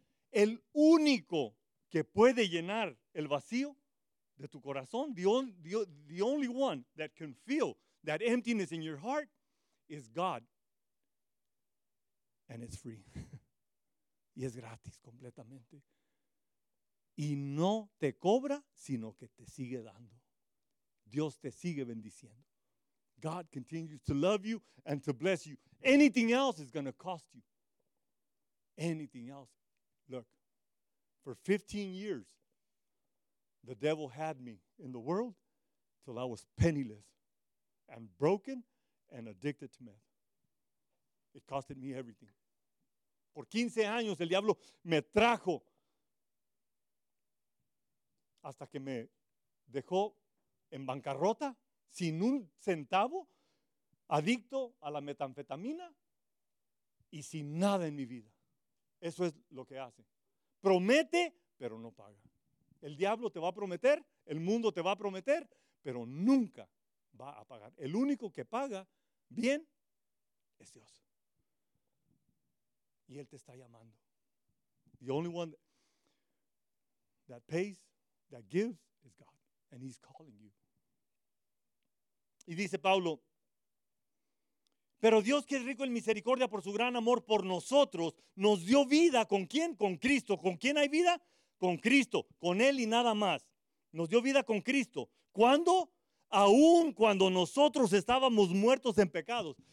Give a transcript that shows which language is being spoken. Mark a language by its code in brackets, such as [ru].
[es] El único que puede llenar el vacío de tu corazón, [en] the only one that can fill that emptiness in your heart is God. And it's free. [es] Y es gratis completamente. Y no te cobra, sino que te sigue dando. Dios te sigue bendiciendo. [en] God continues to love you and to bless you. Anything else is going to cost you. Anything else. Look, for 15 years, the devil had me in the world till I was penniless and broken and addicted to meth. It costed me everything. [es] Por 15 años, el diablo me trajo hasta que me dejó en bancarrota, sin un centavo, adicto a la metanfetamina y sin nada en mi vida. Eso es lo que hace. Promete, pero no paga. El diablo te va a prometer, el mundo te va a prometer, pero nunca va a pagar. El único que paga bien es Dios. Y Él te está llamando. [en] The only one that pays, that gives, is God. And He's calling you. [es] Y dice Pablo, pero Dios, que es rico en misericordia por su gran amor por nosotros, nos dio vida. ¿Con quién? Con Cristo. ¿Con quién hay vida? Con Cristo, con Él y nada más. Nos dio vida con Cristo. ¿Cuándo? Aún cuando nosotros estábamos muertos en pecados.